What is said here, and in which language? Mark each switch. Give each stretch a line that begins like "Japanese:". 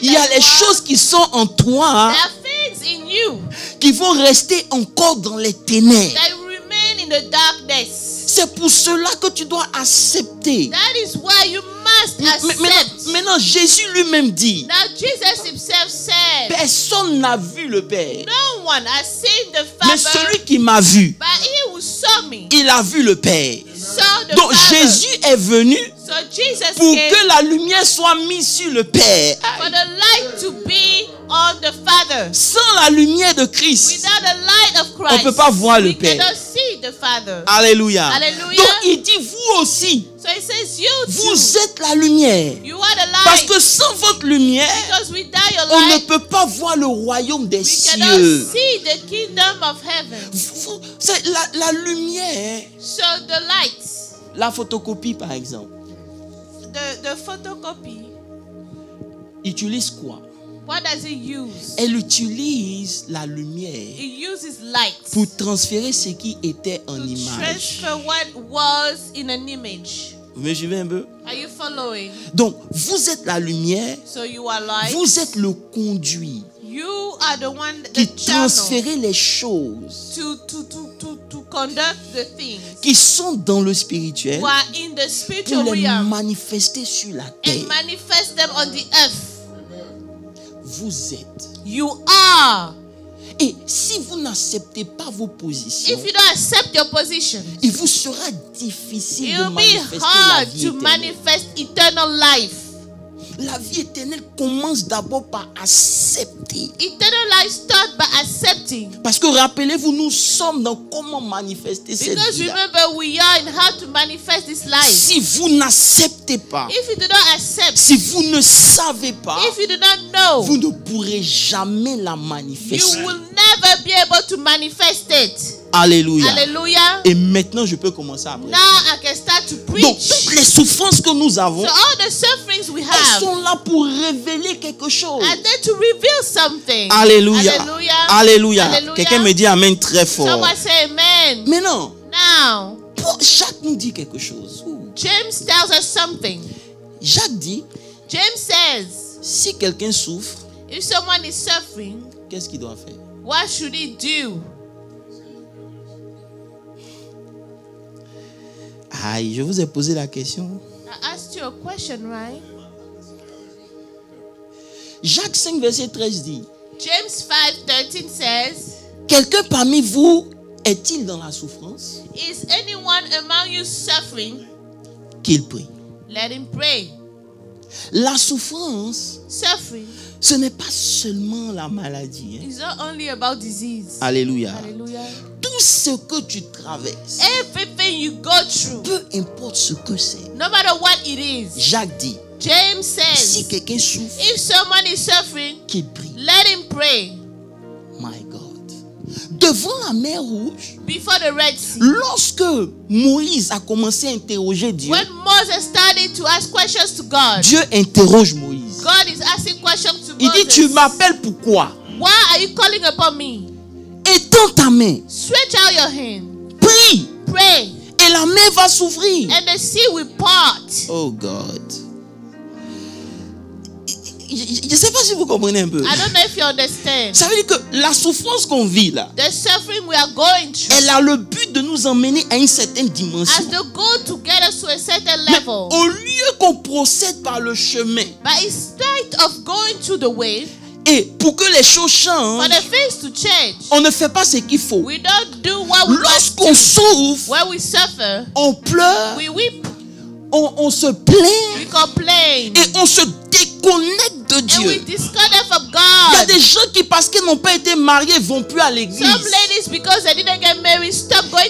French: Il y a les choses qui sont en toi.
English: There are things in you.
French: Qui vont rester encore dans les ténèbres.
English: In the darkness.
French: C'est pour cela que tu dois accepter.
English: That is why you must accept.
French: Maintenant, Jésus lui-même dit.
English: Now Jesus himself said.
French: Personne n'a vu le Père.
English: No one has seen the Father.
French: Mais celui qui m'a vu.
English: But he who saw me.
French: Il a vu le Père.
English: Saw the
French: donc
English: Father.
French: Jésus est venu.
English: So Jesus
French: pour
English: came
French: que la lumière soit mise sur le Père.
English: For the light to be on the Father.
French: Sans la lumière de Christ.
English: Without the light of Christ.
French: On peut pas voir le
English: we
French: Père.
English: The Father.
French: Alléluia. Alléluia. Donc il dit vous aussi.
English: So he says, you too,
French: vous êtes la lumière.
English: You are the light.
French: Parce que sans votre lumière,
English: because without your light,
French: on ne peut pas voir le royaume des
English: we
French: cieux.
English: Cannot see the kingdom of heaven.
French: C'est la lumière.
English: So the light.
French: La photocopie par exemple.
English: The photocopie.
French: Utilise quoi?
English: What does it use?
French: Elle utilise la lumière.
English: It uses light.
French: Pour transférer ce qui était en
English: to
French: image.
English: Transfer what was in an image.
French: Vous me suivez un peu?
English: Are you following?
French: Donc, vous êtes la lumière.
English: So you are light.
French: Vous êtes le conduit.
English: You are the one that
French: qui transférez les choses.
English: To conduct the things.
French: Qui sont dans le spirituel.
English: Who are in the spiritual
French: pour
English: realm.
French: Les manifester sur la terre.
English: And manifest them on the earth.
French: Vous êtes.
English: You are.
French: Et si vous n'acceptez pas vos positions,
English: if you don't accept your position,
French: il vous sera difficile de manifester la vie éternelle.
English: It will be hard to manifest eternal life.
French: La vie éternelle commence d'abord par accepter.
English: Eternal life starts by accepting.
French: Parce que rappelez-vous, nous sommes dans comment manifester
English: because
French: cette vie.
English: Because remember, we are in how to manifest this life.
French: Si vous n'acceptez pas,
English: if you do not accept,
French: si vous ne savez pas,
English: if you do not know,
French: vous ne pourrez jamais la manifester.
English: You will never be able to manifest it.
French: Alléluia. Alléluia. Et maintenant, je peux commencer à prêcher.
English: Now I can start to preach.
French: Donc, toutes les souffrances que nous avons,
English: so all the sufferings we have,
French: elles sont là pour révéler quelque chose.
English: And then to reveal something.
French: Alléluia. Alléluia. Alléluia. Alléluia. Quelqu'un me dit amen très fort.
English: Someone say amen.
French: Maintenant,
English: now,
French: Paul, Jacques nous dit quelque chose.
English: James tells us something.
French: Jacques dit,
English: James says,
French: si quelqu'un souffre,
English: if someone is suffering,
French: qu'est-ce qu'il doit faire?
English: What should he do?
French: Aïe, je vous ai posé la question.
English: I asked you a question, right?
French: Jacques 5, verset 13 dit.
English: James 5, 13 says.
French: Quelqu'un parmi vous est-il dans la souffrance?
English: Is anyone among you suffering?
French: Qu'il prie.
English: Let him pray.
French: La souffrance.
English: Suffering.
French: Ce n'est pas seulement la maladie. Hein?
English: It's not only about disease.
French: Alléluia. Alléluia. Tout tout ce que tu traverses,
English: everything you go through,
French: peu importe ce que c'est,
English: no matter what it is,
French: Jacques dit,
English: James says,
French: si quelqu'un souffre,
English: if someone is suffering,
French: qu'il prie,
English: let him pray. My God.
French: Devant la mer rouge,
English: before the Red Sea,
French: lorsque Moïse a commencé à interroger Dieu,
English: when Moses started to ask questions to God,
French: Dieu interroge Moïse.
English: God is asking questions to
French: Il
English: Moses.
French: Dit, tu m'appelles pourquoi?
English: Why are you calling upon me?
French: Étends ta main.
English: Stretch out your hand.
French: Prie.
English: Pray.
French: Et la mer va s'ouvrir.
English: And the sea will part. Oh God.
French: Je ne sais pas si vous comprenez un peu.
English: I don't know if you understand.
French: Ça veut dire que la souffrance qu'on vit là,
English: the suffering we are going through,
French: elle a le but de nous emmener à une certaine dimension.
English: As the goal to get us to a certain level.
French: Mais au lieu qu'on procède par le chemin,
English: but instead of going through the way,
French: et pour que les choses changent,
English: for the things to change,
French: on ne fait pas ce qu'il faut.
English: We don't do what we
French: lorsqu'on
English: do.
French: Souffre,
English: when we suffer,
French: on pleure,
English: we weep,
French: on se plaint,
English: we complain,
French: et on se déconnecte de Dieu.
English: And we disconnect from God.
French: Il y a des gens qui, parce qu'ils n'ont pas été mariés, ne vont plus à l'église.
English: Some ladies, because they didn't get married, stop going